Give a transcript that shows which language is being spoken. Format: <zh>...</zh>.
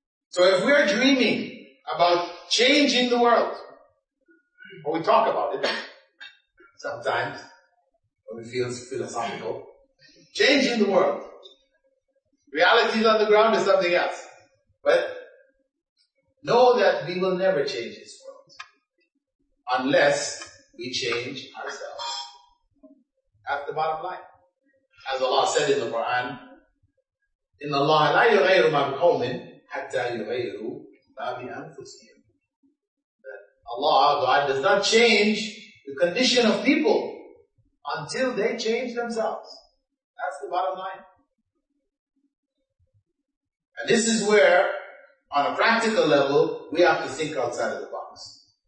<en>So if we are dreaming about changing the world, or we talk about it sometimes, when it feels philosophical, changing the world. Realities on the ground is something else. But know that we will never change this world unless we change ourselves. That's the bottom line. As Allah said in the Quran, in Allah,</en> <ar>لا يغير ما بقومٍ حتى يغيروا ما بأنفسهم.</ar> <en>That Allah, God, does not change the condition of people until they change themselves. That's the bottom line. And this is where, on a practical level, we have to think outside of the box.</en>